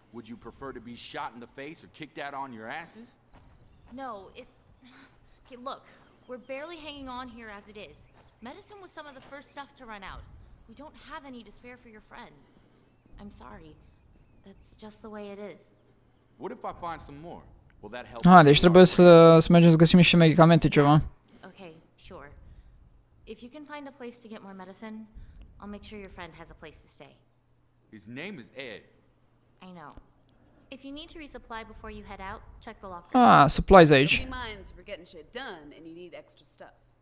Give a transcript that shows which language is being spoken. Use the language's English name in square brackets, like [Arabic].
[English] Would you prefer to be shot in the face or kicked out on your asses? No, it's... Okay, look. We're barely hanging on here as it is. Medicine was some of the first stuff to run out. We don't have any to spare for your friend. I'm sorry. That's just the way it is. What if I find some more? [Romanian] Ah, deci trebuie să, să mergem să găsim și medicamente, ceva. Ok, sigur. [English] If you can find a place to get more medicine, I'll make sure your friend has a place to stay. His name is Ed. I know. If you need to resupply before you head out, check the locker. Ah, supplies age. Don't be minds if you're getting shit done and you need extra stuff.